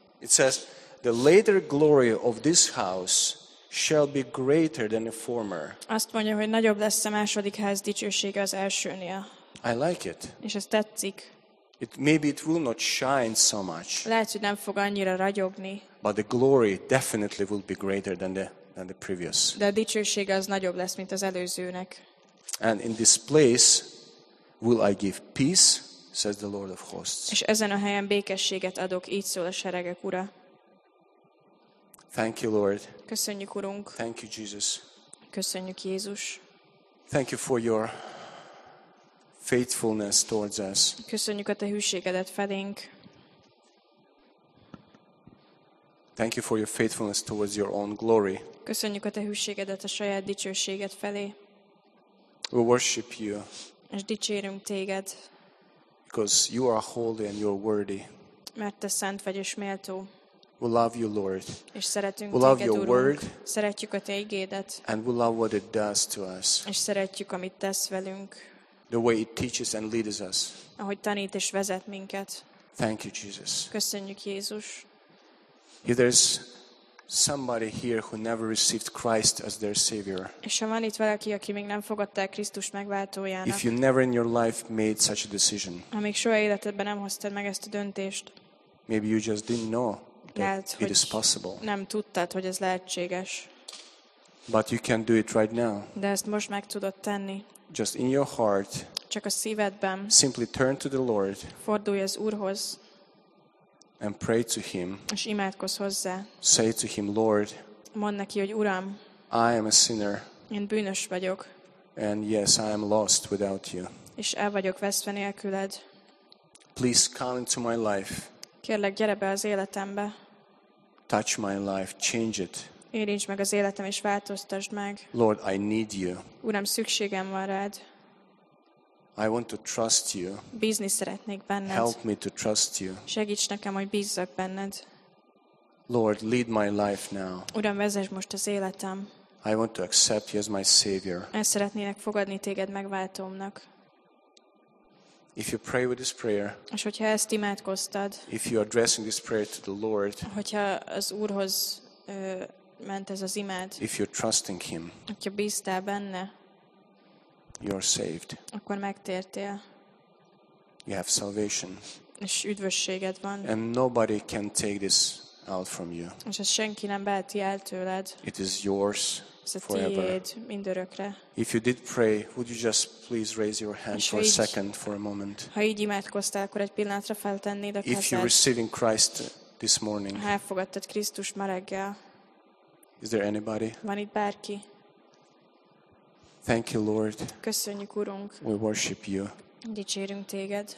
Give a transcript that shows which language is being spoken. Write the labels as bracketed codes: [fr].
[en] It says the later glory of this house shall be greater than the former. [hu] Azt mondja, hogy nagyobb lesz a második ház dicsősége az elsőnél. [en] I like it. [hu] És ez tetszik. [en] It maybe it will not shine so much. [hu] Lehet, hogy nem fog annyira ragyogni. [en] But the glory definitely will be greater than the previous. [hu] De a dicsősége az nagyobb lesz, mint az előzőnek. [en] And in this place will I give peace, says the Lord of hosts. [hu] És ezen a helyen békességet adok, így szól a seregek ura. [en] Thank you, Lord. [hu] Köszönjük, Urunk. [en] Thank you, Jesus. [hu] Köszönjük, Jézus. [en] Thank you for your faithfulness towards us. [hu] Köszönjük a te hűségedet felénk. [en] Thank you for your faithfulness towards your own glory. [hu] Köszönjük a te hűségedet a saját dicsőséged felé. [en] We worship you. [hu] És dicsérünk téged. [en] Because you are holy and you are worthy. [hu] Mert te szent vagy és méltó. [en] We love you, Lord. [hu] És szeretünk [en] we love your [hu] Urunk. [en] Word. [hu] Szeretjük a te igédet. [en] And we love what it does to us. [hu] És szeretjük, amit tesz velünk. [en] The way it teaches and leads us. [hu] Ahogy tanít és vezet minket. [en] Thank you, Jesus. [hu] Köszönjük, Jézus. [en] If there's somebody here who never received Christ as their Savior. [hu] És ha van itt valaki, aki még nem fogadta el Krisztus megváltójának. [en] If you never in your life made such a decision. [hu] Ha még soha életedben nem hoztad meg ezt a döntést. [en] Maybe you just didn't know. [hu] Lehet, [en] it is possible. [hu] Nem tudtad, hogy ez lehetséges. [en] But you can do it right now. [hu] De ezt most meg tudod tenni. [en] Just in your heart. [hu] Csak a szívedben. [en] Simply turn to the Lord. [hu] Fordulj az Úrhoz. [en] And pray to him. [hu] És imádkozz hozzá. [en] Say to him, Lord. [hu] Mondd neki, hogy Uram. [en] I am a sinner. [hu] Én bűnös vagyok. [en] And yes, I am lost without you. [hu] És el vagyok veszve nélküled. [en] Please come into my life. [hu] Kérlek, gyere be az életembe. [en] Touch my life, change it. [hu] Érints meg az életem és változtasd meg. [en] Lord, I need you. [hu] Uram, szükségem van rád. [en] I want to trust you. [hu] Bízni szeretnék benned. [en] Help me to trust you. [hu] Segíts nekem, hogy bízzak benned. [en] Lord, lead my life now. [hu] Uram, vezess most az életem. [en] I want to accept you as my savior. [hu] Én szeretnének fogadni téged megváltómnak. [en] If you pray with this prayer, [hu] és hogyha ezt imádkoztad, [en] if you're addressing this prayer to the Lord, [hu] hogyha az Úrhoz ment ez az imád, [en] if you're trusting him, [hu] hogyha bíztál benne, [en] you're saved. [hu] Akkor megtértél. [en] You have salvation. [hu] És üdvösséged van. [en] And nobody can take this out from you. [hu] És ezt senki nem veheti el tőled. [en] It is yours. [hu] Tiéd, mindörökre. [en] If you did pray, would you just please raise your hand for a second, for a moment? [hu] Ha így imádkoztál, akkor egy pillanatra feltennéd a kezed. [en] If you're receiving Christ this morning. [hu] Ha elfogadtad Krisztus ma reggel. [en] Is there anybody? [hu] Van itt bárki? [en] Thank you, Lord. [hu] Köszönjük, Urunk. [en] We worship you. [hu] Dicsérünk téged.